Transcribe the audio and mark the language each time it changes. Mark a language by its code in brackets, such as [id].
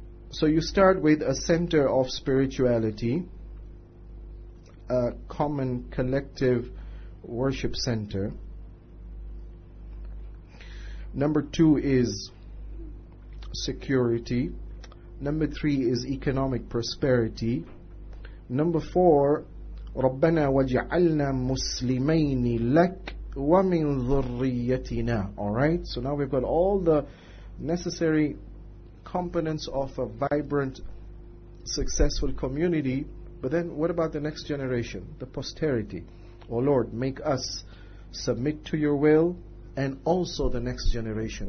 [en] So you start with a center of spirituality, a common collective worship center. Number two is security. Number three is economic prosperity. Number four, [ar] رَبَّنَا وَجْعَلْنَا مُسْلِمَيْنِ لَكْ وَمِنْ ذُرِّيَّتِنَا. [en] Alright, so now we've got all the necessary components of a vibrant, successful community. But then what about the next generation, the posterity? Oh Lord, make us submit to your will, and also the next generation.